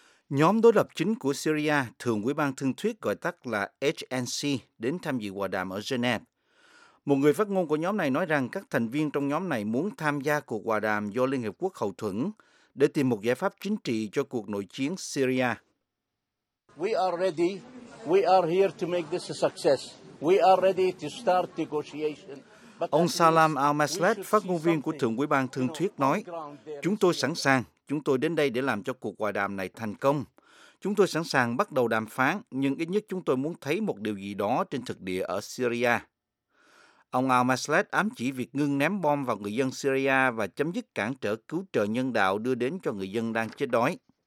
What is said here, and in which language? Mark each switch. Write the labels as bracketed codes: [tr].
[vi] Nhóm đối lập chính của Syria, Thượng Ủy ban Thương thuyết gọi tắt là HNC, đến tham dự hòa đàm ở Geneva. Một người phát ngôn của nhóm này nói rằng các thành viên trong nhóm này muốn tham gia cuộc hòa đàm do Liên Hiệp Quốc hậu thuẫn để tìm một giải pháp chính trị cho cuộc nội chiến Syria. [en] We are ready. We are here to make this a success. We are ready to start negotiation. [vi] Ông Salem Al-Maslet, phát ngôn viên của Thượng Ủy ban Thương thuyết nói, chúng tôi sẵn sàng, chúng tôi đến đây để làm cho cuộc hòa đàm này thành công. Chúng tôi sẵn sàng bắt đầu đàm phán, nhưng ít nhất chúng tôi muốn thấy một điều gì đó trên thực địa ở Syria. Ông Al-Maslet ám chỉ việc ngưng ném bom vào người dân Syria và chấm dứt cản trở cứu trợ nhân đạo đưa đến cho người dân đang chết đói.